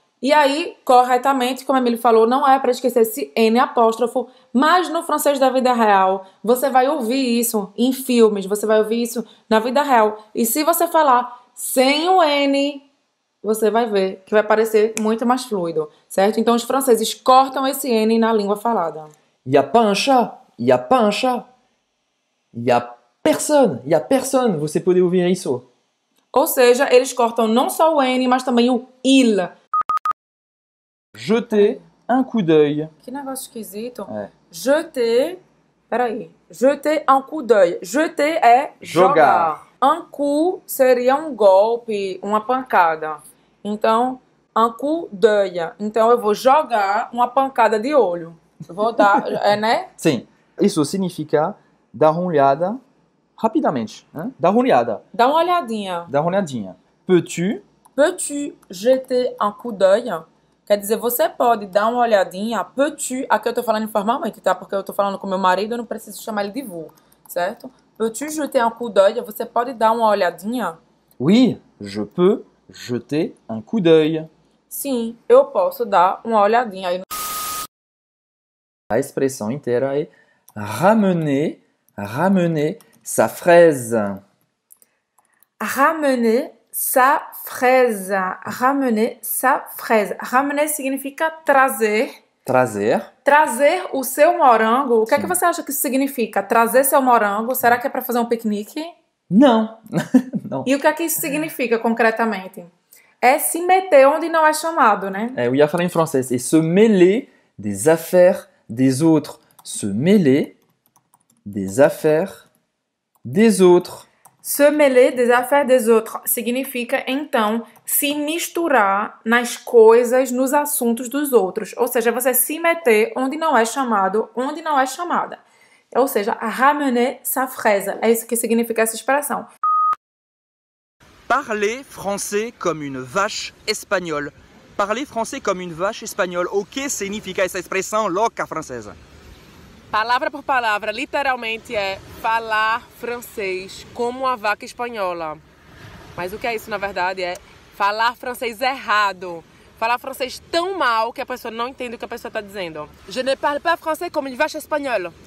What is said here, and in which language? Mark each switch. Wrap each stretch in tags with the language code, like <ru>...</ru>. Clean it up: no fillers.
<pt>E aí, corretamente, como a Emily falou, não é para esquecer esse N apóstrofo, mas no francês da vida real, você vai ouvir isso em filmes, você vai ouvir isso na vida real. E se você falar sem o N, você vai ver que vai parecer muito mais fluido, certo? Então, os franceses cortam esse N na língua falada.</pt> <fr>Y a pas un chat, y a pas un chat, y a personne, y a personne, vous pouvez ouvrir isso.</fr> <pt>Ou seja, eles cortam não só o N, mas também o il.</pt> <fr>Jetez un coup d'œil.</fr> <pt>Que negócio esquisito. É.</pt> <fr>Jeter. Peraí. Jeter un coup d'œil. Jeter é</fr> <pt>Jogar. jogar. Un coup seria um golpe, uma pancada. Então,</pt> <fr>un coup d'œil.</fr> <pt>Então, eu vou jogar uma pancada de olho. Vou dar. É, né? Sim, isso significa dar uma olhada rapidamente, hein? Dar uma olhada. Dá uma olhadinha. Dar uma olhadinha.</pt> <fr>Peux-tu? Peux-tu jeter un coup d'œil?</fr> <pt>Quer dizer, você pode dar uma olhadinha, peux-tu, aqui eu tô falando informalmente, tá? Porque eu tô falando com meu marido, eu não preciso chamar ele de vous, certo?</pt> <fr>Peux-tu jeter un coup d'œil?</fr> <pt>Você pode dar uma olhadinha?</pt> <fr>Oui, je peux jeter un coup d'œil.</fr> <pt>Sim, eu posso dar uma olhadinha. A expressão inteira é</pt> <fr>ramener, ramener sa fraise. Ramener sa fraise. Ramener sa fraise.</fr> <pt>Ramener significa trazer. Trazer. Trazer o seu morango. O que é que você acha que isso significa? Trazer seu morango? Será que é para fazer um piquenique? Não. Não. E o que é que isso significa concretamente? É se meter onde não é chamado, né? É, eu ia falar em francês.</pt> <fr>É se mêler des affaires des autres. Se mêler des affaires des autres. Se mêler des affaires des autres</fr> <pt>significa, então, se misturar nas coisas, nos assuntos dos outros. Ou seja, você se meter onde não é chamado, onde não é chamada. Ou seja,</pt> <fr>ramener sa fraise.</fr> <pt>É isso que significa essa expressão.</pt> <fr>Parler français comme une vache espagnole. Parler français comme une vache espagnole.</fr> <pt>O que significa essa expressão louca francesa? Palavra por palavra, literalmente é falar francês como uma vaca espanhola. Mas o que é isso, na verdade, é falar francês errado. Falar francês tão mal que a pessoa não entende o que a pessoa está dizendo.</pt> <fr>Je ne parle pas français comme une vache espagnole.</fr>